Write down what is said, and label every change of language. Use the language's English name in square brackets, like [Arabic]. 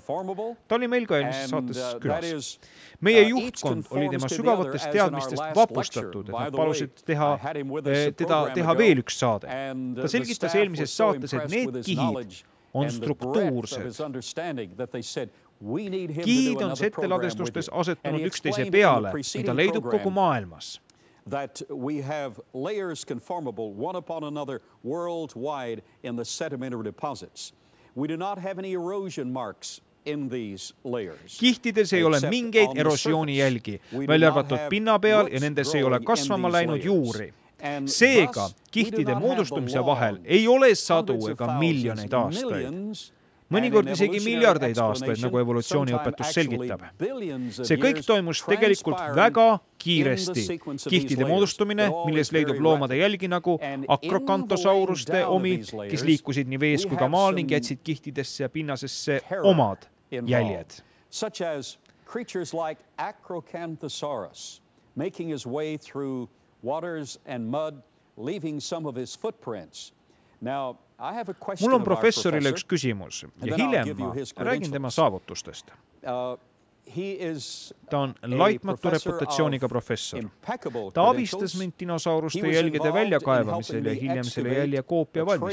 [Estonian] Ta oli meil ka eelmises saates külas. Meie juhtkond oli tema sügavatest teadmistest vapustatud, et nad palusid teha veel üks saade. Ta selgitas eelmises saates, et need kihid on struktuursed. Kihid on setteladestustes asetunud üksteise peale, mida leidub kogu maailmas. [English] That we have layers conformable one upon another worldwide in the sedimentary deposits. We do not have any erosion marks in these layers. [Estonian] Kihtides ei ole mingeid erosiooni jälgi, välja arvatud pinna peal ja nendes ei ole kasvama läinud juuri. Seega, kihtide moodustumise vahel ei ole sadu ega miljoneid aastaid. mõnikord isegi miljardeid aastaid, nagu evolutsiooniõpetus selgitab. See kõik toimus tegelikult väga kiiresti. Kihtide moodustumine, milles leidub loomade jälgi nagu akrokantosauruste omi, kes liikusid nii vees kui ka maal ning jätsid kihtidesse ja pinnasesse omad jäljed. [English] Creatures like Acrocanthosaurus, making his way through waters and mud, leaving some of his footprints. Now, I have a question. [Estonian] Mul on professorile üks küsimus ja hiljem räägin tema saavutustest. Ta on laitmatu reputatsiooniga professor. Ta abistas mind dinosauruste jälgede väljakaevamisel ja hiljem selle jälje koopia